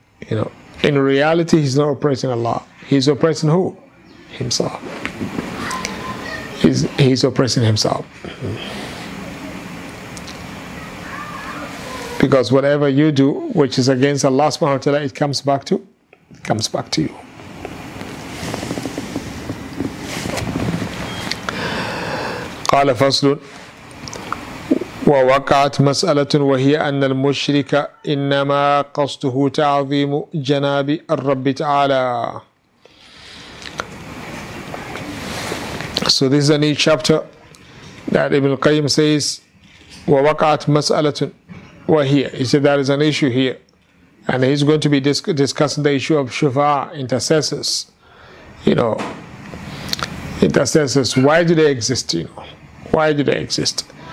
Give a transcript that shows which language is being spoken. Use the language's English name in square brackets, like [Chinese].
[English] You know, in reality, he's not oppressing Allah. He's oppressing who? Himself. He's oppressing himself. Because whatever you do, which is against Allah subhanahu wa ta'ala, it comes back to you. [Arabic] قال فصل ووقعت مسألة وهي أن المشرك إنما قصده تعظيم جناب الرب تعالى. [English] So this is a new chapter that Ibn al-Qayyim says, [Arabic] ووقعت مسألة وهي. [English] He said there is an issue here, and he's going to be discussing the issue of shufa, intercessors. You know, intercessors, why do they exist, you know? Why do they exist?